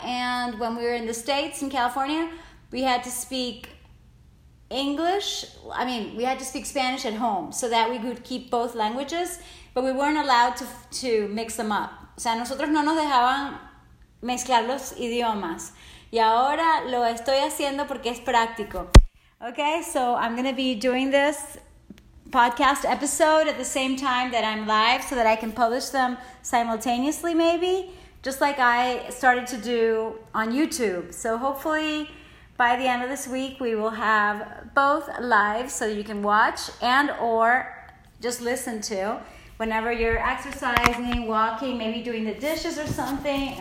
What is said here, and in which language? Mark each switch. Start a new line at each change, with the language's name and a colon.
English: And when we were in the States, in California, we had to speak English. I mean, we had to speak Spanish at home so that we could keep both languages, but we weren't allowed to mix them up.
Spanish: O sea, nosotros no nos dejaban mezclar los idiomas. Y ahora lo estoy haciendo porque es práctico.
English: Okay, so I'm going to be doing this podcast episode at the same time that I'm live so that I can publish them simultaneously, maybe, just like I started to do on YouTube. So hopefully by the end of this week, we will have both live so you can watch and or just listen to whenever you're exercising, walking, maybe doing the dishes or something.